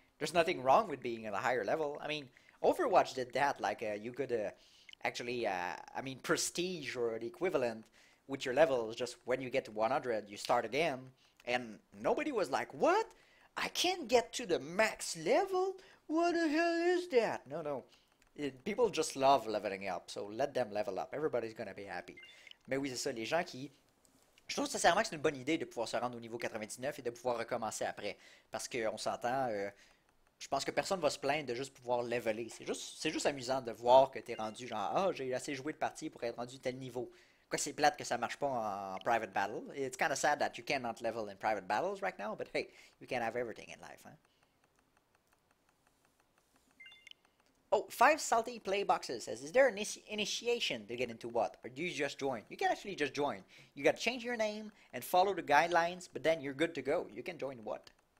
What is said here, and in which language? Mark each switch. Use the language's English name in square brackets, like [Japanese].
[English] There's nothing wrong with being at a higher level. I mean, Overwatch did that, like, you could prestige or the equivalent with your levels. Just when you get to 100, you start again. And nobody was like, what? I can't get to the max level? What the hell is that? No. People just love leveling up, so let them level up. Everybody's gonna be happy. [French] Mais oui, c'est ça, les gens qui... Je trouve sincèrement que c'est une bonne idée de pouvoir se rendre au niveau 99 et de pouvoir recommencer après. Parce qu'on s'entend, je pense que personne va se plaindre de juste pouvoir leveler. C'est juste amusant de voir que t'es rendu genre, ah, j'ai assez joué de partie pour être rendu tel niveau. Quoi, c'est plate que ça marche pas en private battle. [English] It's kind of sad that you cannot level in private battles right now, but hey, you can have everything in life, hein? Oh, 5 Salty Play Boxes says, is there an initiation to get into WUT, or do you just join? You can actually just join. You gotta change your name and follow the guidelines, but then you're good to go. You can join WUT.